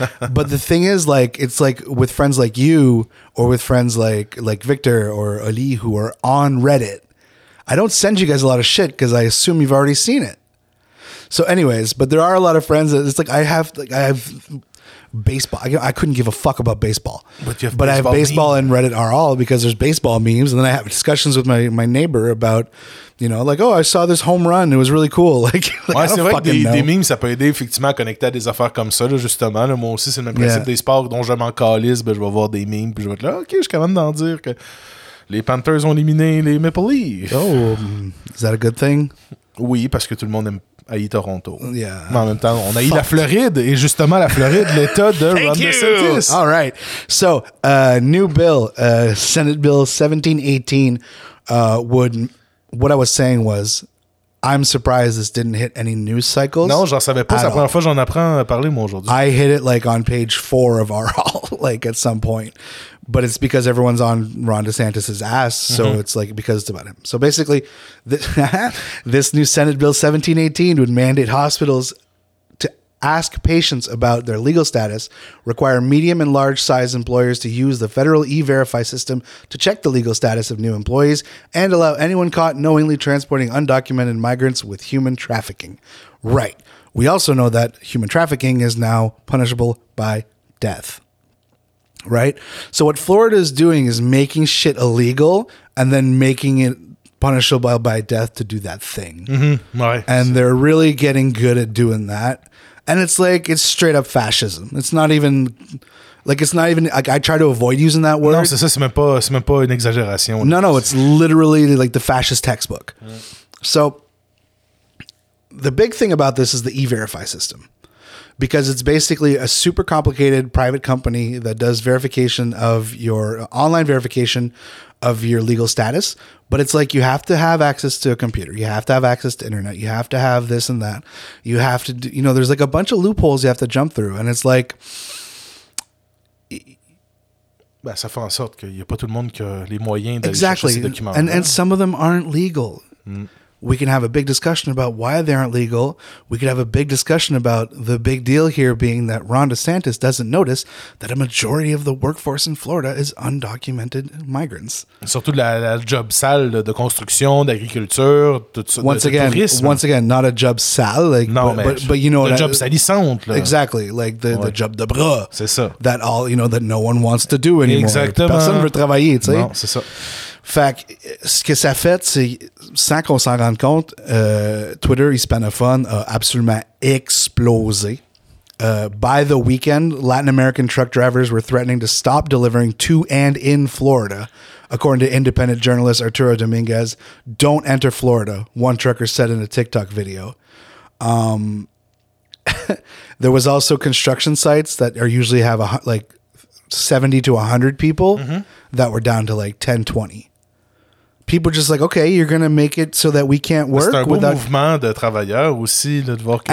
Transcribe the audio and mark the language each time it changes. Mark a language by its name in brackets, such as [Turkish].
[English] But the thing is, like, it's like with friends like you or with friends like Victor or Ali who are on Reddit, I don't send you guys a lot of shit because I assume you've already seen it. So anyways, but there are a lot of friends that it's like I have baseball. I couldn't give a fuck about baseball. But I have baseball and Reddit R/All because there's baseball memes. And then I have discussions with my neighbor about, you know, like, oh, I saw this home run. It was really cool. Like, [French] ouais, c'est vrai que des memes, ça peut aider effectivement à connecter à des affaires comme ça, là, justement. Là. Moi aussi, c'est le même principe des sports dont je m'en calisse. Ben, je vais voir des memes. Puis je vais être là, OK, je suis capable d'en dire que les Panthers ont éliminé les Maple Leafs. [English] Oh, is that a good thing? [French] Oui, parce que tout le monde aime. Haït Toronto. [English] Yeah. [French] Mais en même temps, on haït la Floride et justement la Floride, l'état de Ron DeSantis. [English] All right. So, new bill, Senate Bill 1718, what I was saying was, I'm surprised this didn't hit any news cycles. [French] Non, j'en savais pas. C'est la première fois que j'en apprends à parler, moi, aujourd'hui. [English] I hit it like on page 4 of R/All, like at some point. But it's because everyone's on Ron DeSantis's ass, so it's like because it's about him. So basically, this new Senate Bill 1718 would mandate hospitals to ask patients about their legal status, require medium and large size employers to use the federal e-verify system to check the legal status of new employees, and allow anyone caught knowingly transporting undocumented migrants with human trafficking. Right. We also know that human trafficking is now punishable by death. Right? So what Florida is doing is making shit illegal and then making it punishable by death to do that thing. Mm-hmm. Right. And they're really getting good at doing that. And it's like, it's straight up fascism. It's not even, like, it's not even, like, I try to avoid using that word. [French] Non, c'est ça, c'est même pas une exagération. [English] No, no, it's literally like the fascist textbook. Mm. So the big thing about this is the E-Verify system, because it's basically a super complicated private company that does verification of your online verification of your legal status. But it's like, you have to have access to a computer. You have to have access to internet. You have to have this and that. You have to do, you know, there's like a bunch of loopholes you have to jump through. And it's like, [French] ben, ça fait en sorte qu'il y a pas tout le monde qui a les moyens d'aller exactly. chercher ces documents. [English] And some of them aren't legal. Mm. We can have a big discussion about why they aren't legal. We could have a big discussion about the big deal here being that Ron DeSantis doesn't notice that a majority of the workforce in Florida is undocumented migrants. [French] Surtout la job sale de construction, d'agriculture, tout ça. [English] Once again, not a job sale. Like, non, but you know, the job salissante. Exactly, like the job [French] de bras. C'est ça. [English] That all, you know, that no one wants to do anymore. [French] Exactement. Personne veut travailler, tu sais. Non, c'est ça. Fait que ce que ça fait, c'est sans qu'on s'en rende compte, Twitter hispanophone a absolument explosé. [English] By the weekend, Latin American truck drivers were threatening to stop delivering to and in Florida. According to independent journalist Arturo Dominguez, don't enter Florida, one trucker said in a TikTok video. there was also construction sites that are usually have a, like 70 to 100 people mm-hmm. that were down to like 10, 20. People just like, okay, you're going to make it so that we can't work. [French] C'est un beau mouvement de travailleurs aussi, là, de voir que...